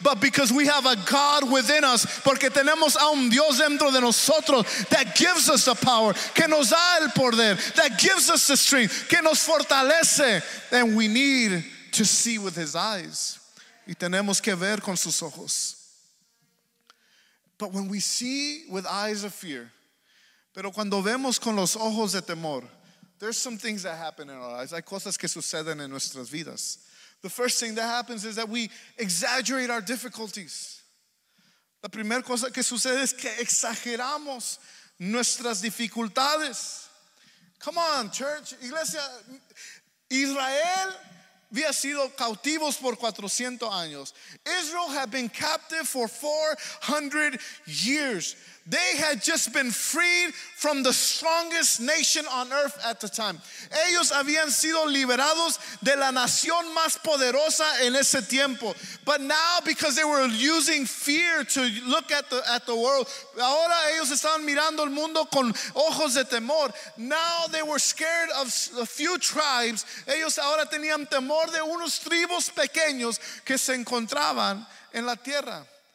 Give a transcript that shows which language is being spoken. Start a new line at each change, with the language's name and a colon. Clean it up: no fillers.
English: But because we have a God within us.
Spanish: Porque tenemos a un Dios dentro de nosotros.
English: That gives us the power.
Spanish: Que nos da el poder.
English: That gives us the strength.
Spanish: Que nos fortalece.
English: And we need to see with his eyes.
Spanish: Y tenemos que ver con sus ojos.
English: But when we see with eyes of fear.
Spanish: Pero cuando vemos con los ojos de temor,
English: there's some things that happen in our lives.
Spanish: Hay cosas que suceden en nuestras vidas.
English: The first thing that happens is that we exaggerate our difficulties.
Spanish: La primera cosa que sucede es que exageramos nuestras dificultades.
English: Come on, church,
Spanish: iglesia. Israel había sido cautivos por 400 años.
English: Israel had been captive for 400 years. They had just been freed from the strongest nation on earth at the time.
Spanish: Ellos habían sido liberados de la nación más poderosa en ese tiempo.
English: But now, because they were using fear to look at the world,
Spanish: ahora ellos estaban mirando el mundo con ojos de temor.
English: Now they were scared of a few tribes.
Spanish: Ellos ahora tenían temor de unos tribus pequeños que se encontraban en la tierra.